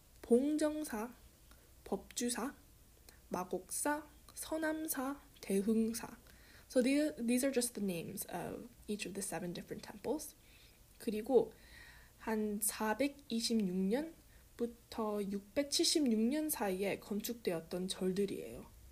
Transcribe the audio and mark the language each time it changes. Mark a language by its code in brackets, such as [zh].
[ko] 공정사, 법주사, 마곡사, 선암사, 대흥사. [en] So these are just the names of each of the 7 different temples. [ko] 그리고 한 426년부터 676년 사이에 건축되었던 절들이에요.